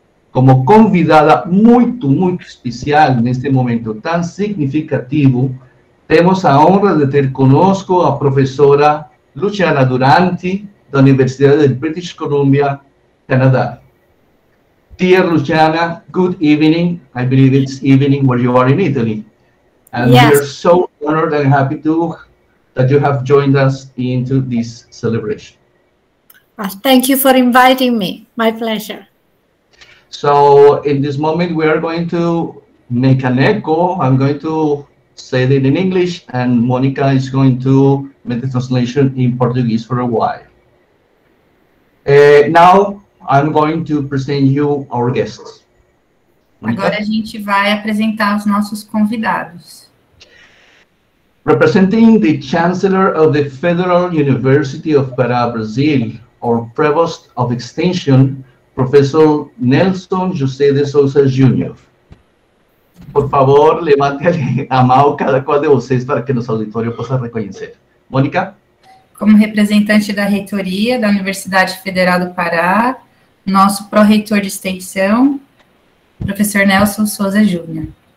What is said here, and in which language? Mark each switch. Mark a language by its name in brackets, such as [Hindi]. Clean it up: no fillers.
[Portuguese] Como convidada muito, muito especial neste momento tão significativo, temos a honra de ter conosco a professora Luciana Duranti, da Universidade de British Columbia, Canadá. [English] Dear Luciana, good evening. I believe it's evening where you are in Italy. And we are Yes. so honored and happy that you have joined us into this celebration. Thank you for inviting me. My pleasure. So, in this moment, we are going to make an echo. I'm going to say it in English, and Monica is going to make the translation in Portuguese for a while. Now, I'm going to present you our guests. [Portuguese] Agora a Monica? gente vai apresentar os nossos convidados. [English] Representing the Chancellor of the Federal University of Pará, Brazil, our Provost of Extension, Professor Nelson José de Souza Júnior. [Portuguese] Por favor, levante a mão cada qual de vocês para que nosso auditório possa reconhecer. Mônica? Como representante da reitoria da Universidade Federal do Pará, nosso pró-reitor de extensão, professor Nelson Souza Júnior.